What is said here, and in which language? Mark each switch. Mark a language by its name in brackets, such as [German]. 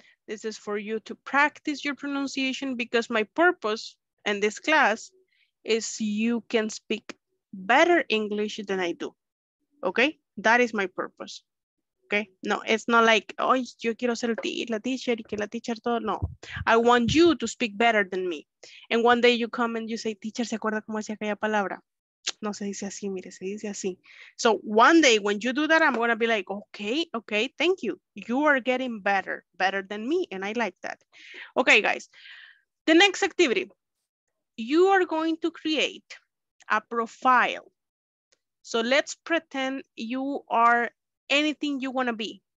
[English] This is for you to practice your pronunciation because my purpose in this class is you can speak better English than I do. Okay? That is my purpose. Okay? No, it's not like, oh, yo quiero ser la teacher y que la teacher todo. No, I want you to speak better than me. And one day you come and you say, teacher, ¿se acuerda cómo decía aquella palabra? [Spanish] No se dice así, mire, se dice así. [English] So one day when you do that, I'm going to be like, okay, thank you. You are getting better than me. And I like that. Okay, guys, the next activity, you are going to create a profile. So let's pretend you are anything you want to be.